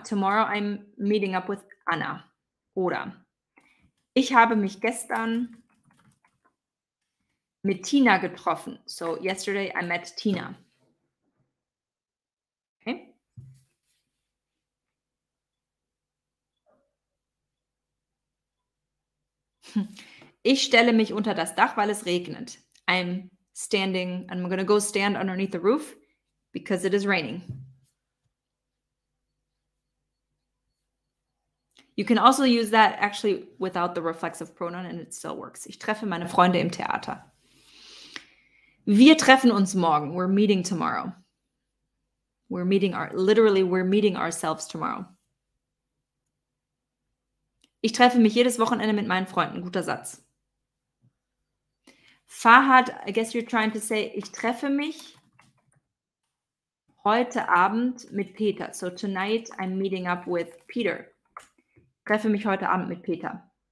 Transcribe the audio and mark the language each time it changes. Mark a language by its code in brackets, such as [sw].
[en] Tomorrow I'm meeting up with Anna. [de] Oder ich habe mich gestern mit Tina getroffen. [en] So yesterday I met Tina. [de] Ich stelle mich unter das Dach, weil es regnet. [en] I'm gonna go stand underneath the roof because it is raining. You can also use that actually without the reflexive pronoun and it still works. [de] Ich treffe meine Freunde im Theater. Wir treffen uns morgen. [en] We're meeting tomorrow. We're meeting our, literally, we're meeting ourselves tomorrow. [de] Ich treffe mich jedes Wochenende mit meinen Freunden. Guter Satz. Fahad, [en] I guess you're trying to say, [de] ich treffe mich heute Abend mit Peter. [en] So tonight I'm meeting up with Peter. [de] Treffe mich heute Abend mit Peter.